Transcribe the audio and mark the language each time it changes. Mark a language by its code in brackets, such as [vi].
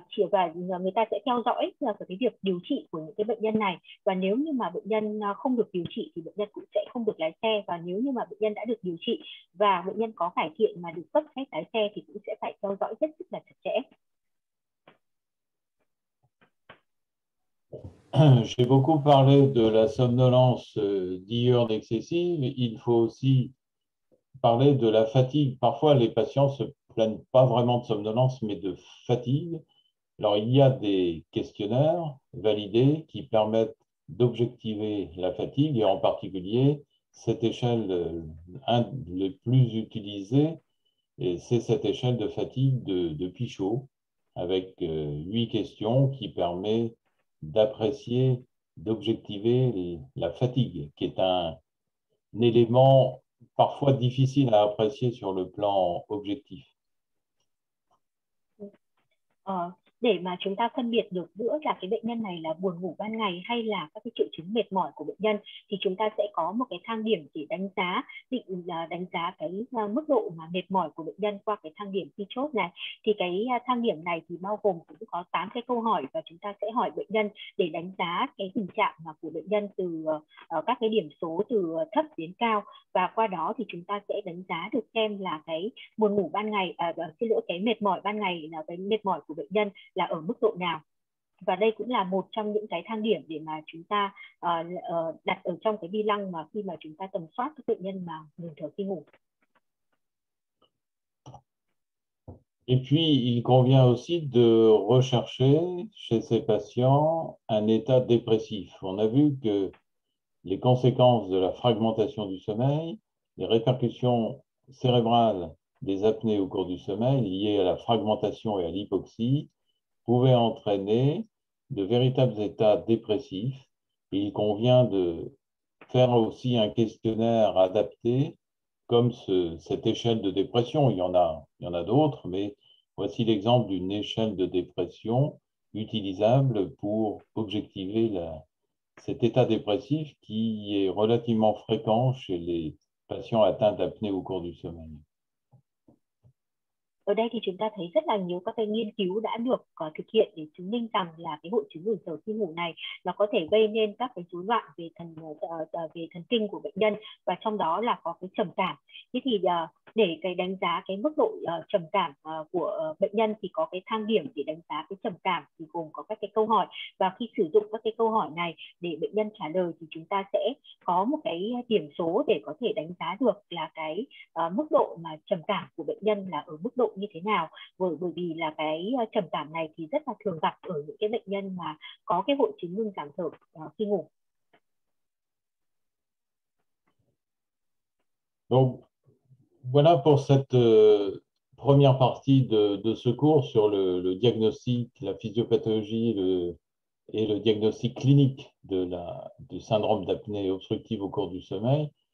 [vi] Và người ta sẽ theo dõi cái việc điều trị của những cái bệnh nhân này, và nếu như mà bệnh nhân không được điều trị thì bệnh nhân cũng sẽ không được lái xe, và nếu như mà bệnh nhân đã được điều trị và bệnh nhân có cải thiện mà được cấp phép lái xe thì cũng sẽ phải theo dõi rất sức là chặt chẽ. [fr] J'ai beaucoup parlé de la somnolence diurne excessive, il faut aussi parler de la fatigue. Parfois les patients se plaignent pas vraiment de somnolence, mais de fatigue. Alors, il y a des questionnaires validés qui permettent d'objectiver la fatigue, et en particulier, cette échelle, un des plus utilisés, et c'est cette échelle de fatigue de Pichot, avec 8 questions qui permet d'apprécier, d'objectiver la fatigue, qui est un élément parfois difficile à apprécier sur le plan objectif. [vi] Để mà chúng ta phân biệt được giữa là cái bệnh nhân này là buồn ngủ ban ngày hay là các cái triệu chứng mệt mỏi của bệnh nhân thì chúng ta sẽ có một cái thang điểm để đánh giá, định là đánh giá cái mức độ mà mệt mỏi của bệnh nhân qua cái thang điểm Pichot này. Thì cái thang điểm này thì bao gồm cũng có 8 cái câu hỏi, và chúng ta sẽ hỏi bệnh nhân để đánh giá cái tình trạng mà của bệnh nhân từ các cái điểm số từ thấp đến cao, và qua đó thì chúng ta sẽ đánh giá được xem là cái buồn ngủ ban ngày, xin lỗi, cái mệt mỏi ban ngày là cái mệt mỏi của bệnh nhân là ở mức độ nào. Và đây cũng là một trong những cái thang điểm để mà chúng ta đặt ở trong cái bi lăng mà khi mà chúng ta tầm soát các bệnh nhân mà ngừng thở khi ngủ. [fr] Et puis, il convient aussi de rechercher chez ces patients un état dépressif. On a vu que les conséquences de la fragmentation du sommeil, les répercussions cérébrales des apnées au cours du sommeil liées à la fragmentation et à l'hypoxie pouvaient entraîner de véritables états dépressifs. Il convient de faire aussi un questionnaire adapté comme cette échelle de dépression. Il y en a d'autres, mais voici l'exemple d'une échelle de dépression utilisable pour objectiver cet état dépressif qui est relativement fréquent chez les patients atteints d'apnée au cours du sommeil. [vi] Ở đây thì chúng ta thấy rất là nhiều các cái nghiên cứu đã được thực hiện để chứng minh rằng là cái hội chứng ngừng thở khi ngủ này nó có thể gây nên các cái rối loạn về thần kinh của bệnh nhân, và trong đó là có cái trầm cảm. Thế thì để cái đánh giá cái mức độ trầm cảm của bệnh nhân thì có cái thang điểm để đánh giá cái trầm cảm thì gồm có các cái câu hỏi, và khi sử dụng các cái câu hỏi này để bệnh nhân trả lời thì chúng ta sẽ có một cái điểm số để có thể đánh giá được là cái mức độ mà trầm cảm của bệnh nhân là ở mức độ như thế nào, bởi vì là cái trầm cảm này thì rất là thường gặp ở những cái bệnh nhân mà có cái hội chứng ngừng giảm thở khi ngủ. [fr] Donc voilà pour cette première partie de ce cours sur le diagnostic, la physiopathologie et le diagnostic clinique du syndrome d'apnée obstructive au cours du sommeil.